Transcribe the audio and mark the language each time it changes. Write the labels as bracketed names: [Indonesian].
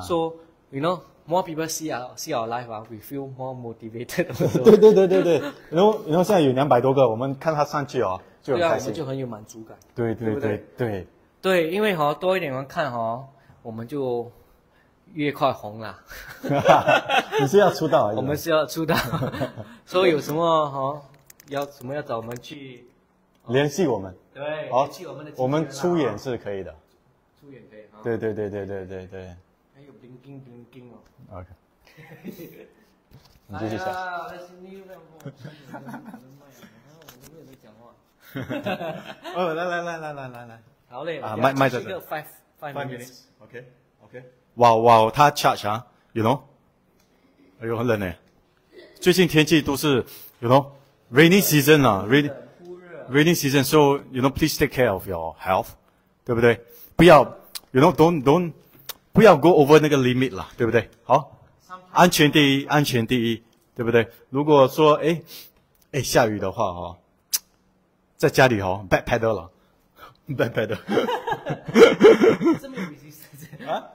[English] so you know, more people see our life, we feel more motivated. [Chinese] 对对对对对 ， [English] You know, [Chinese] 现在有200多个，我们看他上去哦，就很开心。对啊，我们就很有满足感。对对对对对, 对，因为哈、哦、多一点人看哈、哦，我们就越快红了。你是要出道？我们是要出道。所以有什么哈、哦，要什么要找我们去、哦、联系我们？对，好、哦，我们出演是可以的，出演可以。对对对对对对对。还有 blinking blinking 哦。 OK。 你继续讲。哎呀，我的心里有点慌。我们没有在讲话。哦，来来来来来来来。好嘞。啊，麦麦在 [English] 这。Five minutes. OK OK。 [Chinese] 哇哇，他 charge 啊 ， [English] you know？ [Chinese] 哎呦，很冷哎。最近天气都是 ， [English] you know， rainy season [Chinese] 啊 ，rainy。 [English] Rainy season, so you know, please take care of your health, [Chinese] 对不对？不要 ， [English] you know, don't [Chinese] 不要 [English] go over [Chinese] 那个 limit 啦，对不对？好，安全第一，安全第一，对不对？如果说哎，下雨的话哦，在家里哦 ，backpedal 了 ，backpedal，这没有 resistance 啊，